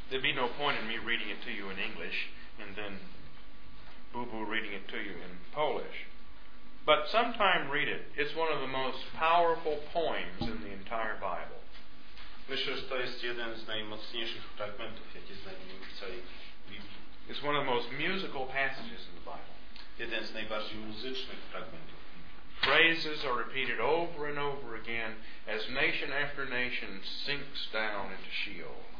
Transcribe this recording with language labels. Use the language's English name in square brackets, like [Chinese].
[English] There'd be no point in me reading it to you in English. and then Bubu reading it to you in Polish. But sometime read it. It's one of the most powerful poems in the entire Bible. [Polish] Myślę, że to jest jeden z najmocniejszych fragmentów, jaki znajdziemy w całej Biblii. [English] It's one of the most musical passages in the Bible. [Polish] Jeden z najbardziej muzycznych fragmentów. [English] Phrases are repeated over and over again as nation after nation sinks down into Sheol.